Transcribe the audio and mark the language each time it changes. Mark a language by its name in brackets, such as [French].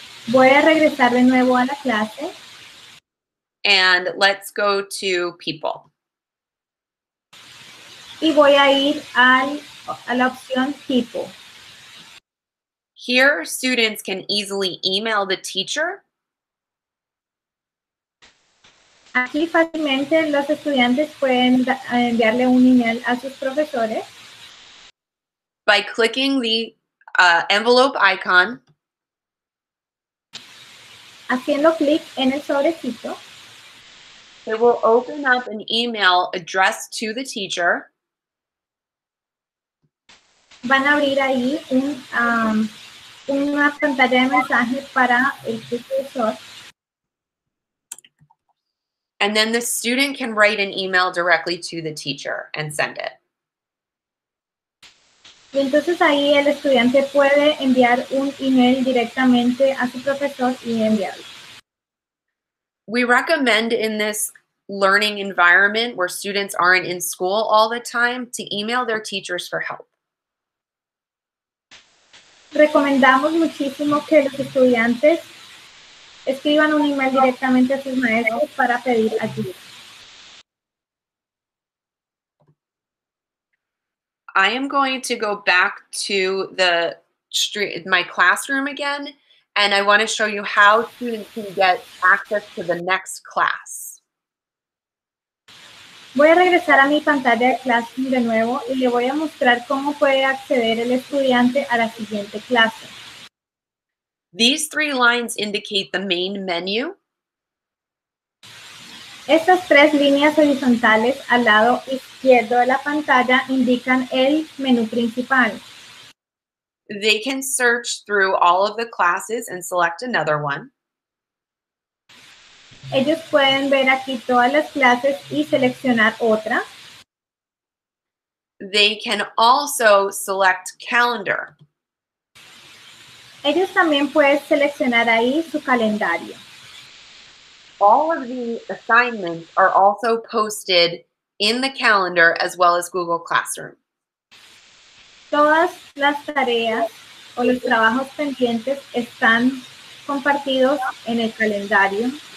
[Spanish] Voy a regresar de nuevo a la clase. [English] And let's go to people. [Spanish] Y voy a ir a la opción people. [English] Here, students can easily email the teacher. [Spanish] Aquí fácilmente los estudiantes pueden enviarle un email a sus profesores. [English] By clicking the envelope icon. [Spanish] Haciendo clic en el sobrecito. [English] It will open up an email addressed to the teacher. [Spanish] Van a abrir ahí un una pantalla de mensaje para el profesor. [English] And then the student can write an email directly to the teacher and send it. [Spanish] Y entonces ahí el estudiante puede enviar un email directamente a su profesor y enviarlo. [English] We recommend in this learning environment where students aren't in school all the time to email their teachers for help. [Spanish] Recomendamos muchísimo que los estudiantes escriban un email directamente a sus maestros para pedir ayuda. [English] I am going to go back to the my classroom again, and I want to show you how students can get access to the next class. [Spanish] Voy a regresar a mi pantalla de Classroom de nuevo y le voy a mostrar cómo puede acceder el estudiante a la siguiente clase. [English] These three lines indicate the main menu. [Spanish] Estas tres líneas horizontales al lado izquierdo de la pantalla indican el menú principal. [English] They can search through all of the classes and select another one. [Spanish] Ellos pueden ver aquí todas las clases y seleccionar otra. [English] They can also select calendar. [Spanish] Ellos también pueden seleccionar ahí su calendario. [English] All of the assignments are also posted in the calendar as well as Google Classroom. [Spanish] Todas las tareas o los trabajos pendientes están compartidos en el calendario.